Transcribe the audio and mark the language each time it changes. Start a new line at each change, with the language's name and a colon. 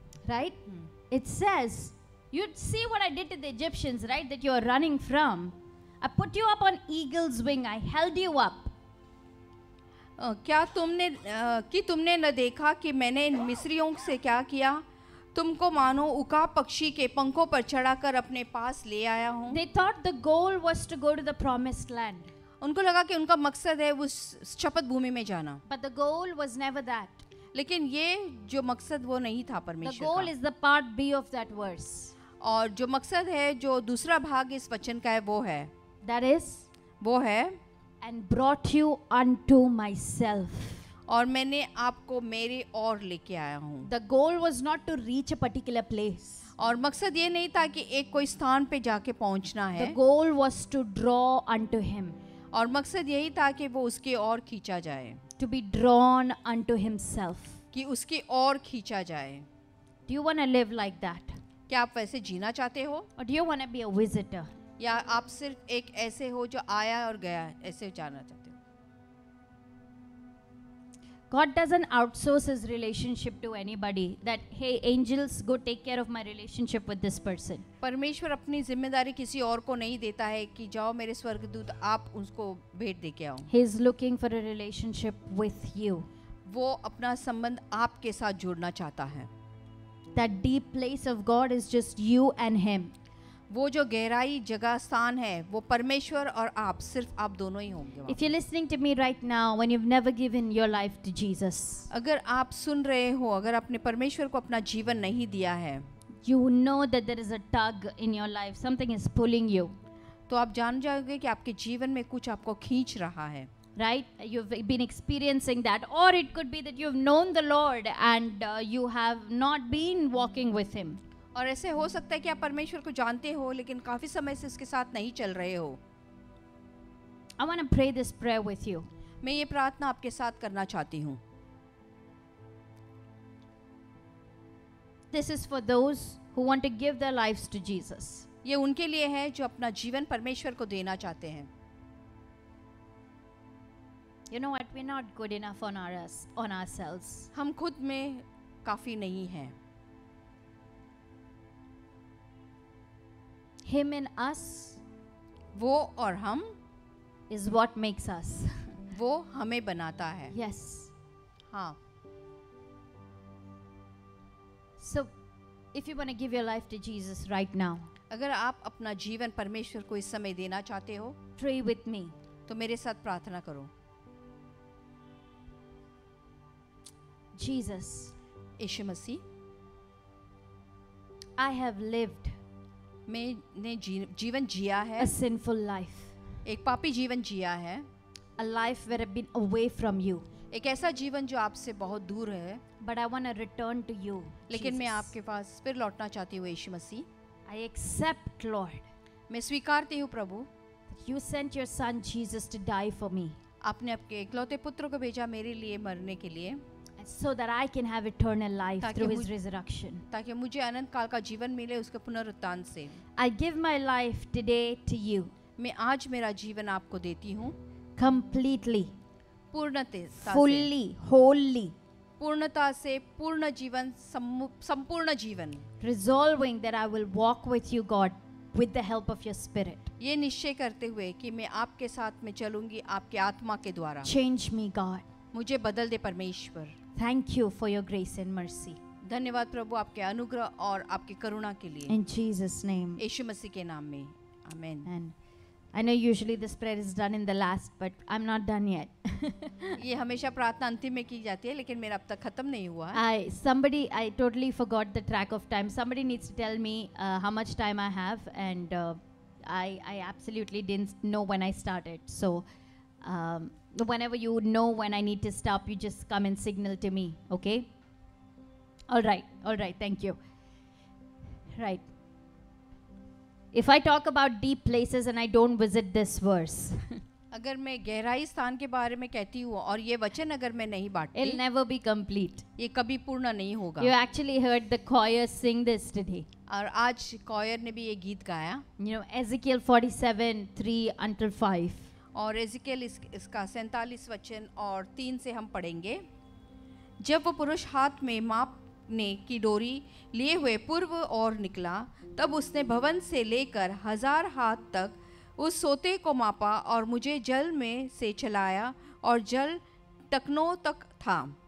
English: Right it says you see what I did to the Egyptians right that you are running from. I put you up on eagle's wing. I held you up.
Hindi: क्या तुमने कि तुमने न देखा कि मैंने इन मिस्रियों से क्या किया. तुमको मानो उका पक्षी के पंखों पर चढ़ाकर अपने पास ले आया हूँ.
English: They thought the goal was to go to the promised land.
Hindi: उनको लगा कि उनका मकसद है उस शपथ भूमि में जाना.
English: But the goal was never that.
Hindi: लेकिन ये जो मकसद वो नहीं था परमेश्वर का।
English: The goal is the part B of that verse.
Hindi: और जो मकसद है, जो दूसरा भाग इस वचन का है, वो है।
English: That is.
Hindi: वो है।
English: And brought you unto myself.
Hindi: और मैंने आपको मेरे और लेके आया हूँ।
English: The goal was not to reach a particular place.
Hindi: और मकसद ये नहीं था कि एक कोई स्थान पे जाके पहुंचना है।
English: The goal was to draw unto him.
Hindi: और मकसद यही था कि वो उसके और खींचा जाए।
English: To be drawn unto himself.
Hindi: कि उसके और खींचा जाए।
English: Do you wanna live like that?
Hindi: क्या आप वैसे जीना चाहते हो?
English: Or do you wanna be a visitor?
Hindi: या आप सिर्फ एक ऐसे हो जो आया और गया, ऐसे जाना चाहते हो?
English: God doesn't outsource his relationship to anybody. That hey angels go take care of my relationship with this person.
Hindi: परमेश्वर अपनी जिम्मेदारी किसी और को नहीं देता है कि जाओ मेरे स्वर्गदूत आप उसको भेंट देके आओ।
English: He is looking for a relationship with you.
Hindi: वो अपना संबंध आपके साथ जोड़ना चाहता है।
English: That deep place of God is just you and him.
Hindi: वो जो गहराई जगह स्थान है वो परमेश्वर और आप, सिर्फ आप दोनों ही होंगे।
English: If you're listening to me right now, when you've never given your life to Jesus,
Hindi: अगर आप सुन रहे हो, अगर आपने परमेश्वर को अपना जीवन नहीं दिया है,
English: you know that there is a tug in your life, something is pulling you,
Hindi: तो आप जान जाओगे कि आपके जीवन में कुछ आपको खींच रहा है।
English: Right? You've been experiencing that, or it could be that you've known the Lord and you have not been walking with him.
Hindi: और ऐसे हो सकता है कि आप परमेश्वर को जानते हो लेकिन काफी समय से उसके साथ नहीं चल रहे हो।
English: I want to pray this prayer with you.
Hindi: मैं ये प्रार्थना आपके साथ करना चाहती हूँ।
English: This is for those who want to give their lives to Jesus.
Hindi: ये उनके लिए है जो अपना जीवन परमेश्वर को देना चाहते हैं।
English: You know what? We're not good enough on ourselves.
Hindi: हम खुद में काफी नहीं है।
English: Him in us,
Hindi: वो और हम,
English: is what makes us.
Hindi: वो हमें बनाता है।
English: Yes.
Hindi: हाँ.
English: So, if you want to give your life to Jesus right now,
Hindi: अगर आप अपना जीवन परमेश्वर को इस समय देना चाहते हो,
English: pray with me.
Hindi: तो मेरे साथ प्रार्थना करो.
English: Jesus,
Hindi: Yeshu Masih,
English: I have lived.
Hindi: मैंने जीवन जिया है।
English: A sinful life.
Hindi: एक पापी जीवन जिया है।
English: A life where I've been away from you.
Hindi: एक ऐसा जीवन जो आपसे बहुत दूर है।
English: But I want to return to you.
Hindi: लेकिन मैं आपके पास फिर लौटना चाहती हूँ यीशु मसीह।
English: I accept, Lord.
Hindi: मैं स्वीकारती हूँ प्रभु।
English: You sent your son Jesus to die for me.
Hindi: आपने आपके इकलौते पुत्र को भेजा मेरे लिए मरने के लिए।
English: So that I can have eternal life through his resurrection.
Hindi: ताकि मुझे अनंत काल का जीवन मिले उसके पुनरुत्थान से।
English: I give my life today to you.
Hindi: मैं आज मेरा जीवन आपको देती हूँ।
English: Completely.
Hindi: पूर्णतः।
English: Fully. Wholly.
Hindi: पूर्णता से पूर्ण जीवन, संपूर्ण जीवन।
English: Resolving that I will walk with you, God, with the help of your Spirit.
Hindi: ये निश्चय करते हुए कि मैं आपके साथ में चलूंगी आपके आत्मा के द्वारा।
English: Change me, God.
Hindi: मुझे बदल दे परमेश्वर।
English: Thank you for your grace and mercy.
Hindi: धन्यवाद प्रभु आपके अनुग्रह और आपके करुणा के लिए।
English: In Jesus' name.
Hindi: यीशु मसीह के नाम में। Amen.
English: And I know usually this prayer is done in the last, but I'm not done yet.
Hindi: ये हमेशा प्रार्थना अंतिम में की जाती है, लेकिन मेरा अब तक खत्म नहीं हुआ।
English: I totally forgot the track of time. Somebody needs to tell me how much time I have, and I absolutely didn't know when I started. So. Whenever you know when I need to stop, you just come and signal to me, okay? All right, thank you. Right. If I talk about deep places and I don't visit this verse,
Hindi: अगर मैं गहराई स्थान के बारे में कहती हूँ और ये वचन अगर मैं नहीं बांटती,
English: it'll never be complete.
Hindi: ये कभी पूर्ण नहीं होगा.
English: You actually heard the choir sing this today.
Hindi: और आज कॉयर ने भी ये गीत गाया.
English: You know, Ezekiel 47:3-5.
Hindi: और एजिकेल इसका 47 वचन और 3 से हम पढ़ेंगे। जब वो पुरुष हाथ में मापने की डोरी लिए हुए पूर्व ओर निकला, तब उसने भवन से लेकर हजार हाथ तक उस सोते को मापा और मुझे जल में से चलाया और जल टखनों तक था।